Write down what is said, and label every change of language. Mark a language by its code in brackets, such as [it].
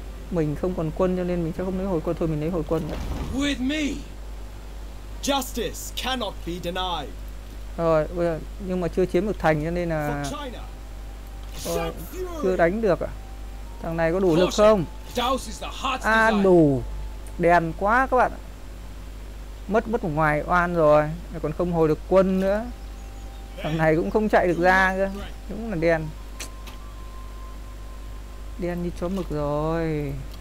[vi] Mình không còn quân cho nên mình sẽ không lấy hồi quân thôi, mình lấy hồi quân rồi. [en] With me, justice cannot be denied. [vi] Rồi bây giờ, nhưng mà chưa chiếm được thành cho nên là rồi, chưa đánh được à? Thằng này có đủ lực không? À đủ, đèn quá các bạn. Mất mất một ngoài oan rồi, còn không hồi được quân nữa, thằng này cũng không chạy được ra cơ, đúng là đen đen như chó mực rồi.